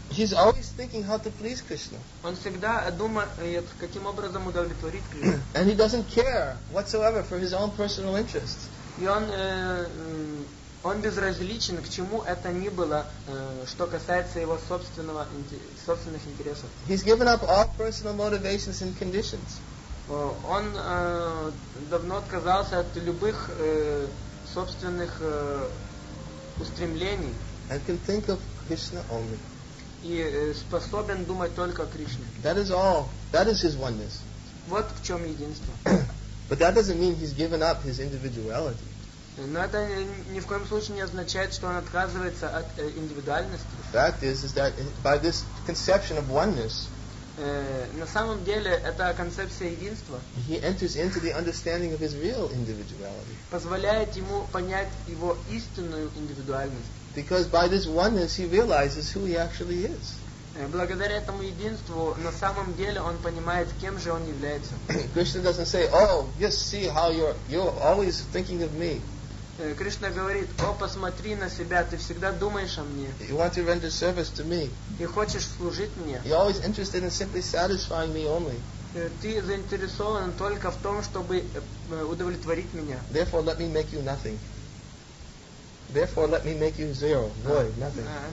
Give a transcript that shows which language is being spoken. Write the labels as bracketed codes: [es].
[en] He's always thinking how to please Krishna. [ru] Он всегда думает, каким образом удовлетворить Кришну. [en] And he doesn't care whatsoever for his own personal interests. [ru] И он безразличен к чему это ни было, что касается его собственных интересов. [en] He's given up all personal motivations and conditions. [ru] Он давно отказался от любых собственных устремлений. [en] And can think of Krishna only. [ru] И способен думать только о Кришне. [en] That is all. That is his oneness. [ru] Вот в чем единство. [en] But that doesn't mean he's given up his individuality. [ru] Но это ни в коем случае не означает, что он отказывается от индивидуальности. [en] The fact is that by this conception of oneness. [ru] На самом деле, это концепция единства. [en] He enters into the understanding of his real individuality. [ru] Позволяет ему понять его истинную индивидуальность. [en] Because by this oneness he realizes who he actually is. [ru] Благодаря этому единству, на самом деле, он понимает, кем же он является. [en] Krishna doesn't say, oh, just see how you're always thinking of me. [ru] Кришна говорит, о, посмотри на себя, ты всегда думаешь о мне. [en] You want to render service to me. [ru] И хочешь служить мне. [en] You're always interested in simply satisfying me only. [ru] Ты заинтересован только в том, чтобы удовлетворить меня. [en] Therefore, let me make you nothing. Therefore, let me make you zero, void, nothing.